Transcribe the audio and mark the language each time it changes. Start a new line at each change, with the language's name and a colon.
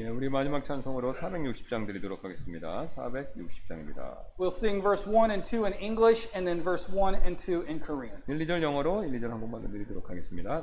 Korean: 예, 우리 마지막 찬송으로 460장 드리도록 하겠습니다. 460장입니다.
English: We'll sing verse 1 and 2 in English and then verse 1 and 2 in Korean.
Korean: 1, 2절 영어로 1, 2절 한국말로 드리도록 하겠습니다.